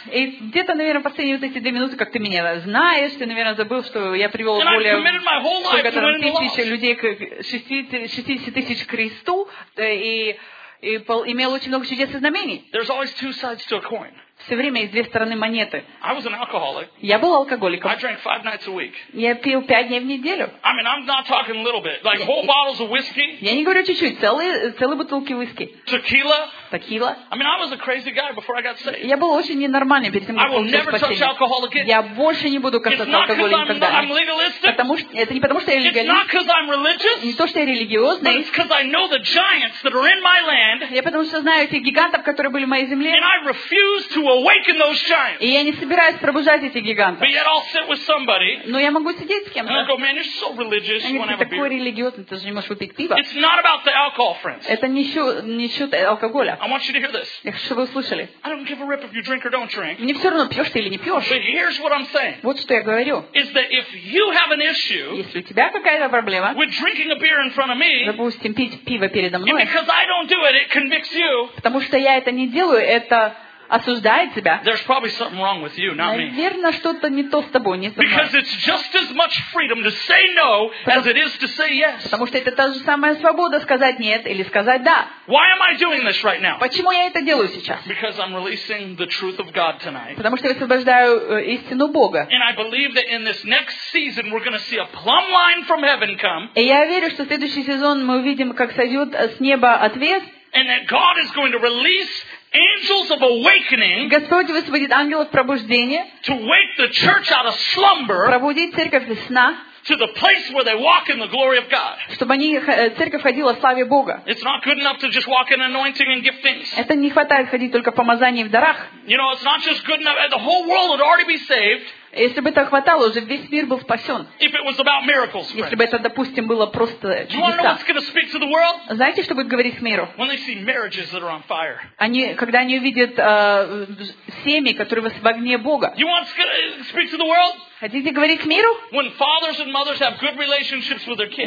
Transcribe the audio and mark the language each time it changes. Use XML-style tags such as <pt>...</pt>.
<ru>И где-то, наверное, последние вот эти 2 минуты, как ты меня знаешь, ты, наверное, забыл, что я привел более 60 тысяч людей к 60 тысяч Христу и имел очень много чудес и знамений.</ru> <en>There's always two sides to a coin.</en> <ru>Все время есть две стороны монеты.</ru> <en>I was an alcoholic.</en> <ru>Я был алкоголиком.</ru> <en>I drank 5 nights a week.</en> <ru>Я пил 5 дней в неделю.</ru> <en>I mean, I'm not talking a little bit. Like whole bottles of whiskey.</en> <ru>Я не говорю чуть-чуть, целые бутылки виски.</ru> <en>Tequila.</en> <ru>Текила.</ru> <en>I mean, I was a crazy guy before I got saved.</en> <ru>Я был очень ненормальный перед тем, как получил спасение.</ru> <en>I will never touch alcohol again.</en> <ru>Я больше не буду касаться алкоголя никогда.</ru> <en>It's not because I'm legalistic.</en> <ru>Это не потому, что я легалист.</ru> <en>It's not because I'm religious.</en> <ru>Не то, что я религиозный.</ru> <en>But it's because I know the giants that are in my land.</en> <ru>Я потому что знаю этих гигантов, которые были в моей земле.</ru> <en>And I refuse to awaken those giants.</en> <ru>И я не собираюсь пробуждать этих гигантов.</ru> <en>But yet I'll sit with somebody.</en> <ru>Но я могу сидеть с кем-то.</ru> <en>And I'll go, man, you're so religious. You want to have a beer.</en> <ru>Такой религиозный, ты же не можешь выпить пиво.</ru> <en>It's not about the alcohol, friends.</en> <ru>Это не счет алкоголя.</ru> <en>I want you to hear this.</en> <ru>Я хочу, чтобы вы услышали.</ru> <en>I don't give a rip if you drink or don't drink.</en> <ru>Мне все равно, пьешь ты или не пьешь.</ru> <en>But here's what I'm saying.</en> <ru>Вот что я говорю.</ru> <en>Is that if you have an issue,</en> <ru>если у тебя какая-то проблема,</ru> <en>with drinking a beer in front of me,</en> <ru>допустим, пить пиво передо мной,</ru> <en>because I don't do it, it convicts you.</en> <ru>Потому что я это не делаю, это осуждает себя.</ru> <en>There's probably something wrong with you, not me.</en> <ru>Наверное, что-то не то с тобой, не со мной.</ru> <en>Because it's just as much freedom to say no as it is to say yes.</en> <ru>Потому что это та же самая свобода сказать нет или сказать да.</ru> <en>Why am I doing this right now?</en> <ru>Почему я это делаю сейчас?</ru> <en>Because I'm releasing the truth of God tonight.</en> <ru>Потому что я освобождаю истину Бога.</ru> <en>And I believe that in this next season we're going to see a plumb line from heaven come.</en> <ru>И я верю, что в следующий сезон мы увидим, как сойдет с неба ответ.</ru> <en>And that God is going to release angels of awakening.</en> <ru>Господь высвободит ангелов пробуждения.</ru> <en>To wake the church out of slumber.</en> <ru>Пробудить церковь из сна.</ru> <en>To the place where they walk in the glory of God.</en> <ru>Чтобы они церковь ходила в славе Бога.</ru> <en>It's not good enough to just walk in anointing and giftings.</en> <ru>Это не хватает ходить только в помазании и в дарах.</ru> <en>You know, it's not just good enough. The whole world would already be saved.</en> <ru>Если бы этого хватало, уже весь мир был спасен.</ru> <en>If it was about miracles, friends.</en> <ru>Если бы это, допустим, было просто чудеса.</ru> <en>You want to know what's going to speak to the world?</en> <ru>Знаете, что будет говорить к миру?</ru> <en>When they see marriages that are on fire.</en> <ru>Они, когда они увидят семьи, которые в огне Бога.</ru> <en>You want to speak to the world?</en> <ru>Хотите говорить к миру?</ru> <en>When fathers and mothers have good relationships with their kids.</en>